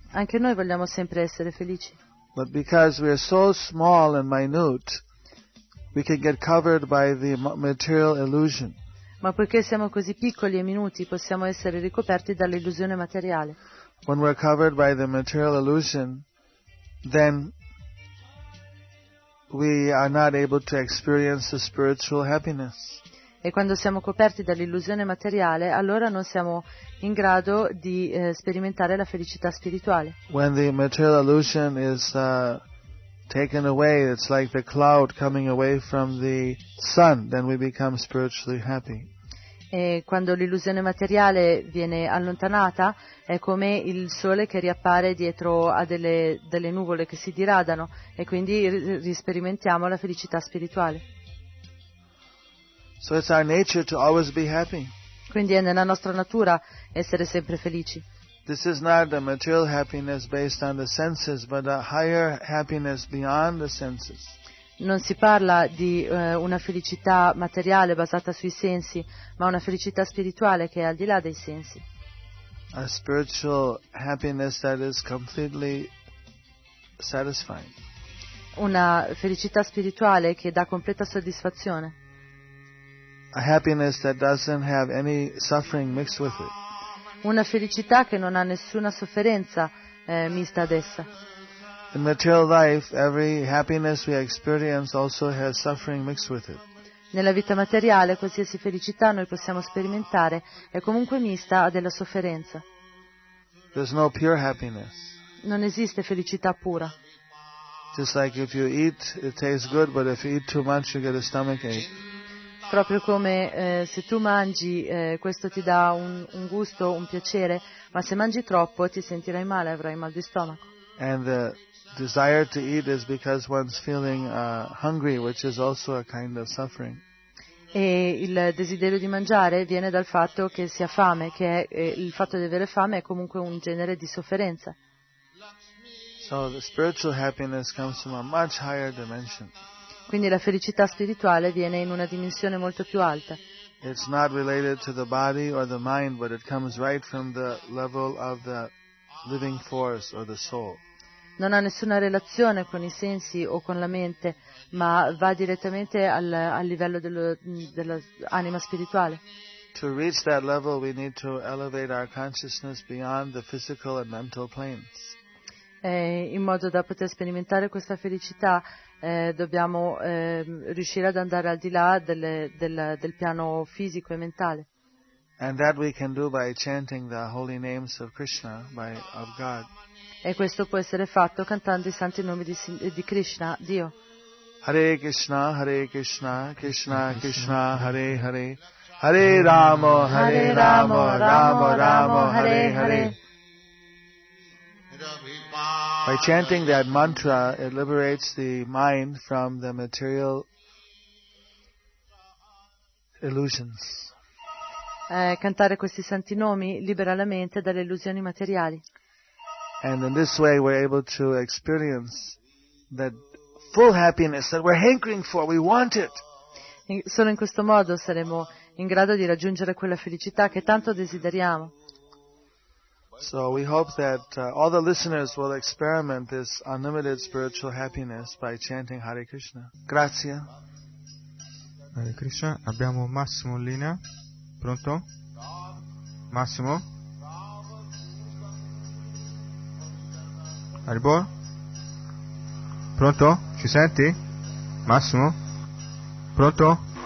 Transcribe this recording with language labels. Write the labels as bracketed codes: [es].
[it] Anche noi vogliamo sempre essere felici. [en] But because we are so small and minute, we can get covered by the material illusion. [it] Ma poiché siamo così piccoli e minuti, possiamo essere ricoperti dall'illusione materiale. [en] When we're covered by the material illusion, then we are not able to experience the spiritual happiness. [it] E quando siamo coperti dall'illusione materiale, allora non siamo in grado di sperimentare la felicità spirituale. [en] When the material illusion is taken away, it's like the cloud coming away from the sun, then we become spiritually happy. [it] E quando l'illusione materiale viene allontanata, è come il sole che riappare dietro a delle nuvole che si diradano, e quindi risperimentiamo la felicità spirituale. [en] So it's our nature to always be happy. [it] Quindi è nella nostra natura essere sempre felici. [en] This is not the material happiness based on the senses, but a higher happiness beyond the senses. [it] Non si parla di una felicità materiale basata sui sensi, ma una felicità spirituale che è al di là dei sensi. [en] A spiritual happiness that is completely satisfying. [it] Una felicità spirituale che dà completa soddisfazione. [en] A happiness that doesn't have any suffering mixed with it. [it] Una felicità che non ha nessuna sofferenza mista ad essa. [en] In material life, every happiness we experience also has suffering mixed with it. [it] Nella vita materiale, qualsiasi felicità noi possiamo sperimentare è comunque mista a della sofferenza. [en] There's no pure happiness. [it] Non esiste felicità pura. [en] Just like if you eat, it tastes good, but if you eat too much, you get a stomach ache. [it] Proprio come se tu mangi, questo ti dà un gusto, un piacere, ma se mangi troppo ti sentirai male, avrai mal di stomaco. [en] And the desire to eat is because one's feeling hungry, which is also a kind of suffering. [it] E il desiderio di mangiare viene dal fatto che si ha fame, che il fatto di avere fame è comunque un genere di sofferenza. [en] So the spiritual happiness comes from a much higher dimension. [it] Quindi la felicità spirituale viene in una dimensione molto più alta. [en] It's not related to the body or the mind, but it comes right from the level of the living force or the soul. [it] Non ha nessuna relazione con i sensi o con la mente, ma va direttamente al livello dell'anima spirituale. [en] To reach that level, we need to elevate our consciousness beyond the physical and mental planes. [it] In modo da poter sperimentare questa felicità, dobbiamo riuscire ad andare al di là del piano fisico e mentale. [en] And that we can do by chanting the holy names of Krishna, of God. [it] E questo può essere fatto cantando i santi nomi di Krishna, Dio. [sa] Hare Krishna, Krishna Krishna, Hare Hare. Hare Rama, Hare Rama, Rama Rama, Hare Hare. [en] By chanting that mantra, it liberates the mind from the material illusions. [it] Cantare questi santi nomi libera la mente dalle illusioni materiali. [en] And in this way we're able to experience that full happiness that we're hankering for, we want it. [it] Solo in questo modo saremo in grado di raggiungere quella felicità che tanto desideriamo. [en] So we hope that all the listeners will experiment this unlimited spiritual happiness by chanting Hare Krishna. [it] Grazie. [sa] Hare Krishna. [it] Abbiamo Massimo in linea. Pronto? Massimo? Haribo? Pronto? Ci senti? Massimo? Pronto?